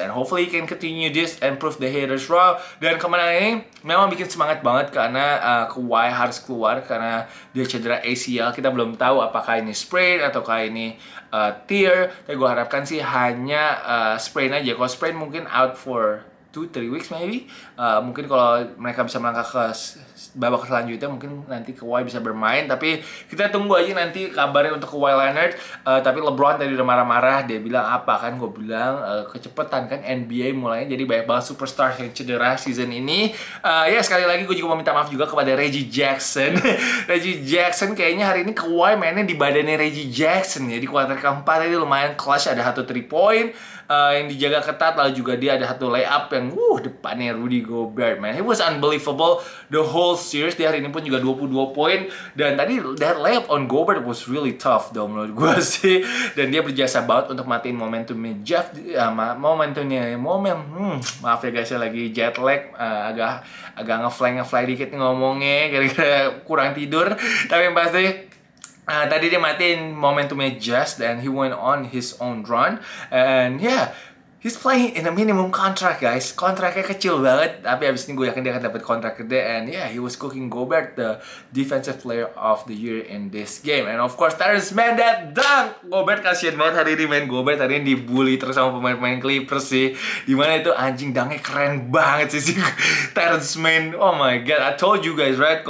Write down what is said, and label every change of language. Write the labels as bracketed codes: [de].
[en] And hopefully he can continue this and prove the haters wrong. [id] Dan kemenangan ini memang bikin semangat banget karena Kawhi harus keluar karena dia cedera ACL. Kita belum tahu apakah ini sprain ataukah ini tear. Tapi gue harapkan sih hanya sprain aja. Kalau sprain mungkin [en] out for 2-3 weeks maybe. [id] Mungkin kalau mereka bisa melangkah ke babak selanjutnya, mungkin nanti Kawhi bisa bermain. Tapi kita tunggu aja nanti kabarnya untuk Kawhi Leonard. Tapi LeBron tadi udah marah-marah. Dia bilang apa kan? Gue bilang kecepatan kan NBA mulainya. Jadi banyak banget superstar yang cedera season ini. Ya sekali lagi gue juga mau minta maaf juga kepada Reggie Jackson. Reggie Jackson kayaknya hari ini Kawhi mainnya di badannya Reggie Jackson. Jadi kuarter keempat tadi lumayan clutch. Ada satu 3 point yang dijaga ketat. Lalu juga dia ada satu layup yang depannya Rudy Gobert, man. [en] It was unbelievable the whole series. [id] Dia hari ini pun juga 22 poin. Dan tadi [en] that layup on Gobert was really tough though [id] menurut gue sih. Dan dia berjasa banget untuk matiin momentumnya Jeff. Maaf ya guys, lagi jet lag. Agak ngefly dikit ngomongnya. Gara-gara kurang tidur. Tapi yang pasti, tadi dia matiin momentumnya Jeff. Dan [en] he went on his own run. And yeah, he's playing in a minimum contract, guys. [id] Kontraknya kecil banget, tapi abis ini gue yakin dia akan dapat kontrak gede. [en] And yeah, he was cooking Gobert, the defensive player of the year in this game. And of course, Terrence Mann, that dunk! Gobert [id] kasihan banget hari ini, [en] man. [id] Gobert hari ini dibully terus sama pemain-pemain Clippers sih. Dimana itu anjing dunknya keren banget sih, Terrence Mann. [en] Oh my God, I told you guys, right?